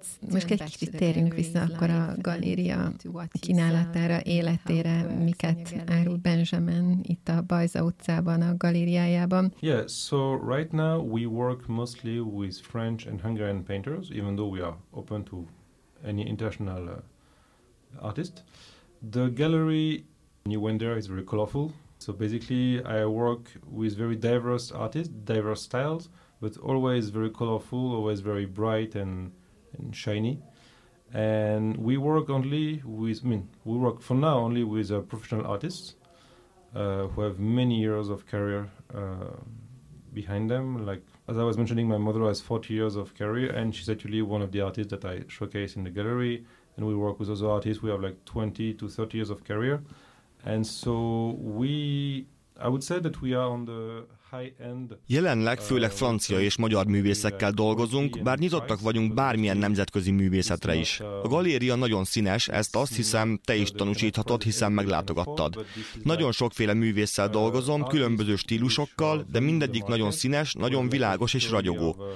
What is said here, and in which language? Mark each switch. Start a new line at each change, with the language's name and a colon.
Hungarian: Most egy kicsit térjünk vissza akkor a galéria kínálatára, életére, miket árul Benjamin itt a Bajza utcában, a galériájában.
English: Yeah, so right now we work mostly with French and Hungarian painters, even though we are open to any international artist. The gallery, when you went there, is very colorful. So basically I work with very diverse artists, diverse styles, but always very colorful, always very bright and shiny, and we work only with, we work for now only with professional artists who have many years of career behind them. Like, as I was mentioning, my mother has 40 years of career, and she's actually one of the artists that I showcase in the gallery, and we work with other artists who have like 20 to 30 years of career, and so I would say that we are on the
Hungarian: Jelenleg főleg francia és magyar művészekkel dolgozunk, bár nyitottak vagyunk bármilyen nemzetközi művészetre is. A galéria nagyon színes, ezt azt hiszem, te is tanúsíthatod, hiszen meglátogattad. Nagyon sokféle művésszel dolgozom, különböző stílusokkal, de mindegyik nagyon színes, nagyon világos és ragyogó.